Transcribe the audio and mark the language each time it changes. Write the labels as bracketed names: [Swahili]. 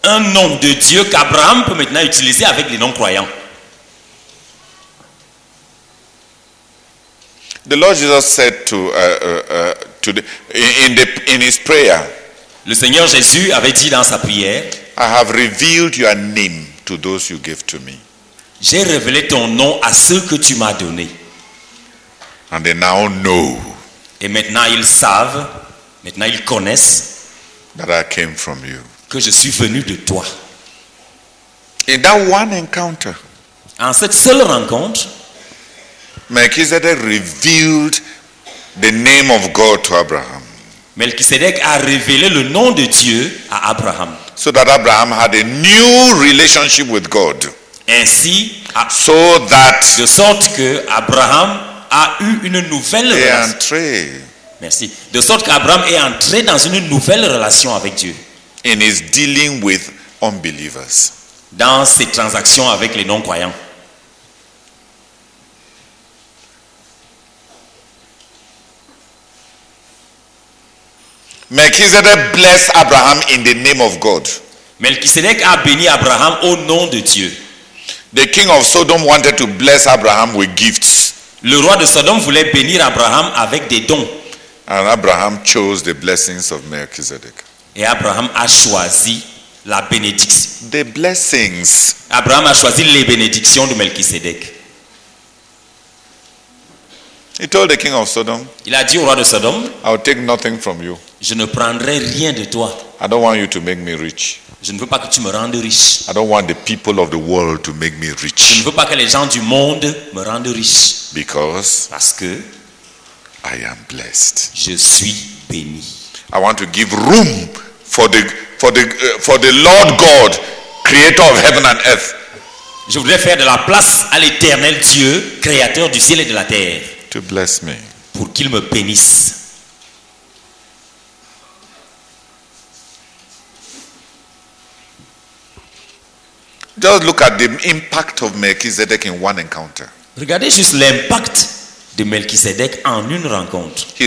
[French] Un nom de Dieu qu'Abraham peut maintenant utiliser avec les non-croyants. [English] The Lord Jesus said in his prayer, [French] le Seigneur Jésus avait dit dans sa prière, [English] "I have revealed your name to those you gave to me." [French] J'ai révélé ton nom à ceux que tu m'as donné. [English] And they now know. [French] Et maintenant ils savent, maintenant ils connaissent [English] that I came from you. [French] Que je suis venu de toi. [English] In that one encounter, [French] en cette seule rencontre, [English] Melchizedek revealed the name of God to Abraham. [French] Melchizedek a révélé le nom de Dieu à Abraham. [English] So that Abraham had a new relationship with God. [French] Ainsi, [English] so that [French] de sorte que Abraham a eu une nouvelle relation. Est entré. Merci. De sorte qu'Abraham est entré dans une nouvelle relation avec Dieu. [English] In his dealing with unbelievers. [French] Dans ses transactions avec les non-croyants. [English] Melchizedek blessed Abraham in the name of God. [French] Melchizedek a béni Abraham au nom de Dieu. [English] The king of Sodom wanted to bless Abraham with gifts. [French] Le roi de Sodome voulait bénir Abraham avec des dons. [English] And Abraham chose the blessings of Melchizedek. [French] Et Abraham a choisi la bénédiction. [English] The blessings. [French] Abraham a choisi les bénédictions de Melchizedek. [English] He told the king of Sodom, [French] il a dit au roi de Sodome, [English] "I'll take nothing from you. [French] Je ne prendrai rien de toi. [English] I don't want you to make me rich. [French] Je ne veux pas que tu me rendes riche. [English] I don't want the people of the world to make me rich. [French] Je ne veux pas que les gens du monde me rendent riche. [English] Because [French] parce que [English] I am blessed. [French] Je suis béni. [English] I want to give room for the Lord God, Creator of heaven and earth. [French] Je voudrais faire de la place à l'Éternel Dieu, Créateur du ciel et de la terre. [English] To bless me. [French] Pour qu'il me bénisse. [English] Just look at the impact of Melchizedek in one encounter. [French] Regardez juste l'impact de Melchizedek en une rencontre.